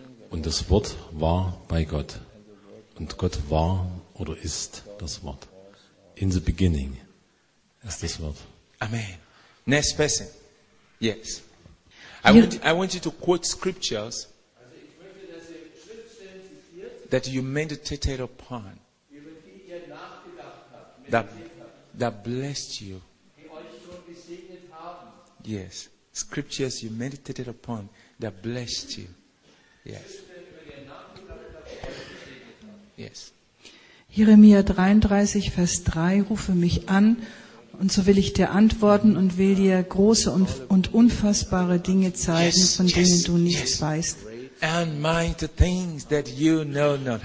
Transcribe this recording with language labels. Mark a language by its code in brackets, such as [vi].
[de] Und das Wort war bei Gott. Und Gott war oder ist das Wort. [en] In the beginning [de] ist das Wort. [en] Amen. Next person, yes. I want you to quote scriptures that you meditated upon, that blessed you. Yes, scriptures you meditated upon that blessed you. Yes. Yes. [de] Jeremia 33, Vers 3, rufe mich an. Und so will ich dir antworten und will dir große und unfassbare Dinge zeigen, von denen du nichts weißt. [en] And mighty things that you know not.